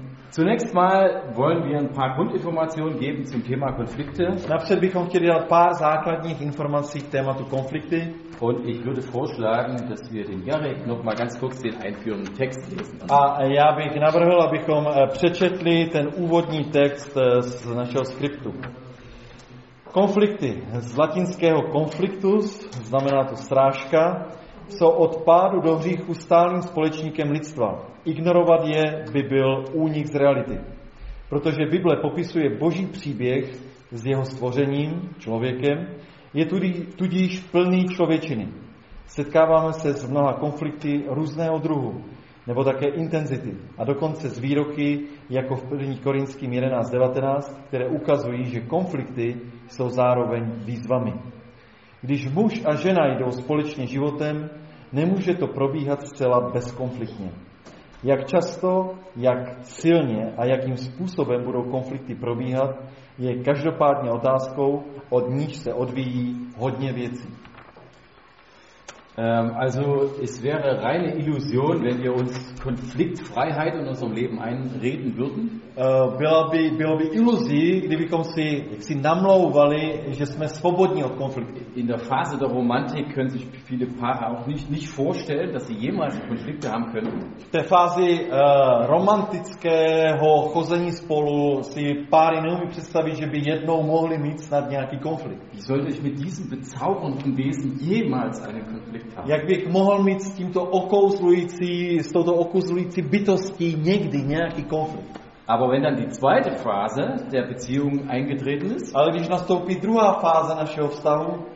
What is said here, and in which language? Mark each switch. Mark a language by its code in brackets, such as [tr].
[de] Zunächst mal wollen wir ein paar Grundinformationen geben zum Thema Konflikte. [cs] Napřed bychom chtěli dát pár základních informací k tématu konflikty. [de] Und ich würde vorschlagen, dass wir den Jarek noch mal ganz kurz den einführenden Text lesen. [cs] A já bych navrhl, abychom přečetli ten úvodní text z našeho skriptu. Konflikty z latinského conflictus, znamená to srážka, jsou od pádu do hříchu stálým společníkem lidstva. Ignorovat je by byl únik z reality. Protože Bible popisuje boží příběh s jeho stvořením, člověkem, je tudíž plný člověčiny. Setkáváme se s mnoha konflikty různého druhu, nebo také intenzity, a dokonce z výroky, jako v 1. Korinským 11.19, které ukazují, že konflikty jsou zároveň výzvami. Když muž a žena jdou společně životem, nemůže to probíhat zcela bezkonfliktně. Jak často, jak silně a jakým způsobem budou konflikty probíhat, je každopádně otázkou, od níž se odvíjí hodně věcí. [de] Also es wäre reine Illusion, wenn wir uns Konfliktfreiheit in unserem Leben einreden würden. [cs] Bylo by iluzí, kdybychom si jaksi namlouvali, že jsme svobodní od konfliktu. [de] In der Phase der Romantik können sich viele Paare auch nicht vorstellen, dass sie jemals Konflikte haben können. [cs] V té fázi romantického chození spolu si páry neumí představit, že by jednou mohli mít snad nějaký konflikt. [de] Wie sollte ich mit diesem bezaubernden Wesen jemals einen Konflikt? [cs] Jak bych mohl mít s touto okouzlující bytostí někdy nějaký konflikt? [de] Aber wenn dann die zweite Phase der Beziehung eingetreten ist? [cs] Ale když nastoupí druhá fáze našeho vztahu,